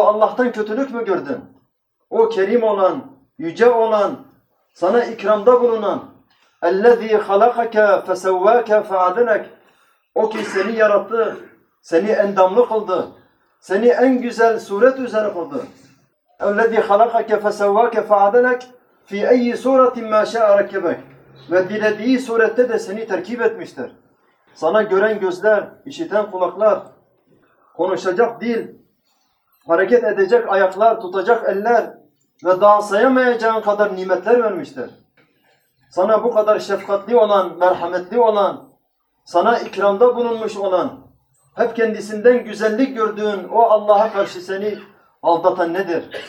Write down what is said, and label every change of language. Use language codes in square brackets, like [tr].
[tr] Allah'tan kötülük mü gördün? O kerim olan, yüce olan, sana ikramda bulunan [ar] اَلَّذ۪ي خَلَقَكَ فَسَوَّاكَ فَعَدَنَكَ [tr] O ki seni yarattı, seni endamlı kıldı, seni en güzel suret üzere kıldı. [ar] اَلَّذ۪ي خَلَقَكَ فَسَوَّاكَ فَعَدَنَكَ فِي اَيِّ سُورَةٍ مَا شَاءَ رَكَّبَكَ [tr] Ve dilediği surette de seni terkip etmiştir. Sana gören gözler, işiten kulaklar, konuşacak dil, hareket edecek ayaklar, tutacak eller ve daha sayamayacağın kadar nimetler vermiştir. Sana bu kadar şefkatli olan, merhametli olan, sana ikramda bulunmuş olan, hep kendisinden güzellik gördüğün o Allah'a karşı seni aldatan nedir?